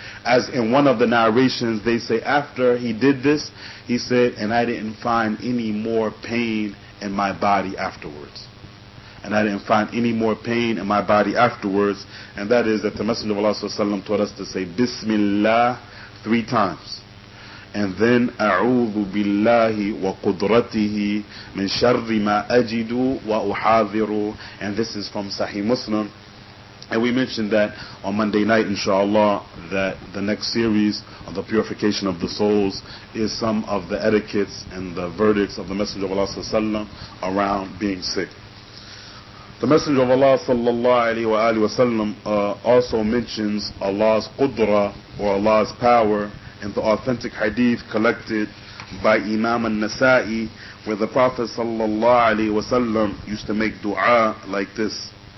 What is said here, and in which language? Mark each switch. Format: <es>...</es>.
<en>As in one of the narrations, they say, after he did this, he said, "And I didn't find any more pain in my body afterwards." And I didn't find any more pain in my body afterwards. And that is that the Messenger of Allah sallallahu alayhi wa sallam taught us to say Bismillah 3 times. And then</en> <ar>أعوذ بالله وقدرته من شر ما أجد وأحاذر.</ar> <en>And this is from Sahih Muslim. And we mentioned that on Monday night, inshallah, that the next series on the purification of the souls is some of the etiquettes and the verdicts of the Messenger of Allah sallallahu alaihi wasallam around being sick. The Messenger of Allah sallallahu alaihi wasallam also mentions Allah's qudra or Allah's power in the authentic hadith collected by Imam al-Nasa'i, where the Prophet sallallahu alaihi wasallam used to make dua like this:</en>